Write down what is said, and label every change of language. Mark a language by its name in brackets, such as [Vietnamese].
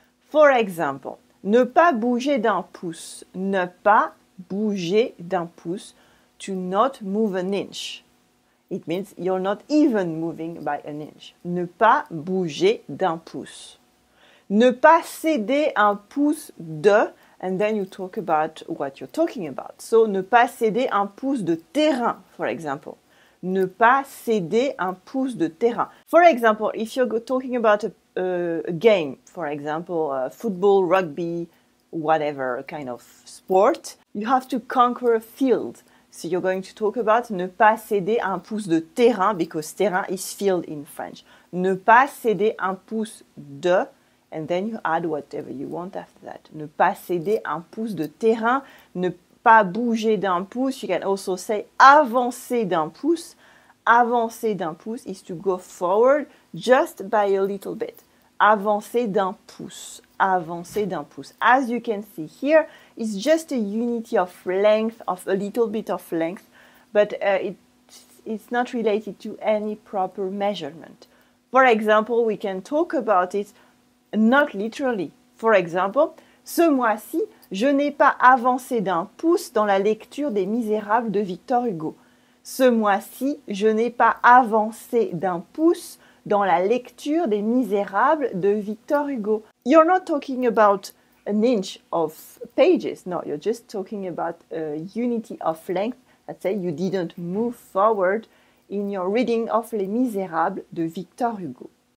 [English] For example, [French] ne pas bouger d'un pouce. Ne pas bouger d'un pouce. [English] To not move an inch. It means you're not even moving by an inch. [French] Ne pas bouger d'un pouce. Ne pas céder un pouce de. [English] And then you talk about what you're talking about. [French] So, ne pas céder un pouce de terrain, [English] for example. [French] Ne pas céder un pouce de terrain. [English] For example, if you're talking about a game, for example, football, rugby, whatever kind of sport, you have to conquer a field. So you're going to talk about [French] ne pas céder un pouce de terrain [English] because terrain is field in French. [French] Ne pas céder un pouce de, [English] and then you add whatever you want after that. [French] Ne pas céder un pouce de terrain, ne pas bouger d'un pouce. [English] You can also say [French] avancer d'un pouce. Avancer d'un pouce [English] is to go forward just by a little bit. [French] Avancer d'un pouce. Avancer d'un pouce. [English] As you can see here, it's just a unity of length, of a little bit of length, but it's not related to any proper measurement. For example, we can talk about it not literally. For example, [French] ce mois-ci, je n'ai pas avancé d'un pouce dans la lecture des Misérables de Victor Hugo. Ce mois-ci, je n'ai pas avancé d'un pouce dans la lecture des Misérables de Victor Hugo. [English] You're not talking about an inch of pages. No, you're just talking about a unity of length. Let's say you didn't move forward in your reading of Les Misérables de Victor Hugo.